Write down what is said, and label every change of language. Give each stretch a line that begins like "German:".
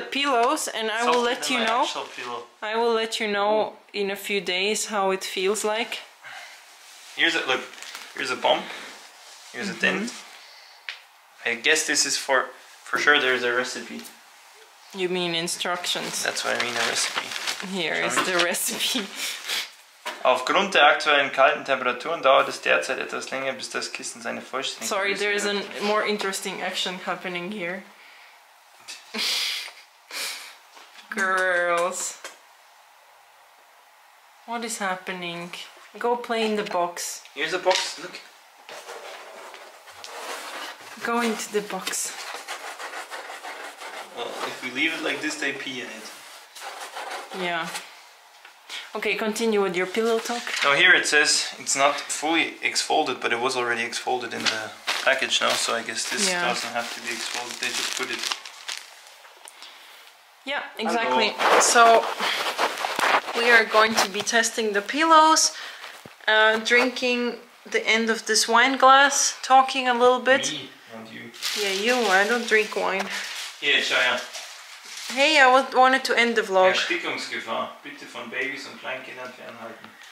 English: The pillows, and I will let you know. I will let you know in a few days how it feels like. Here's a look. Here's a bump. Here's a dent. I guess this is for sure there's a recipe. You mean instructions? That's what I mean, a recipe. Here is the recipe.
German: Aufgrund der aktuellen kalten Temperaturen dauert es derzeit etwas länger, bis das Kissen seine vollständige.
English: Sorry, there is a more interesting action happening here. Girls. What is happening? Go play in the box. Here's the box, look. Go into the box. Well, if we leave it like this, they pee in it. Yeah. Okay, continue with your pillow talk. Now here it says it's not fully exfolded, but it was already exfolded in the package now, so I guess this doesn't have to be exfolded, they just put it. Yeah, exactly. Hello. So we are going to be testing the pillows, drinking the end of this wine glass, talking a little bit. Me, not you. Yeah, you, I don't drink wine. Yeah, Shaya. Hey, I wanted to end the vlog.
German: Erstickungsgefahr. Bitte von Babys und Kleinkindern fernhalten.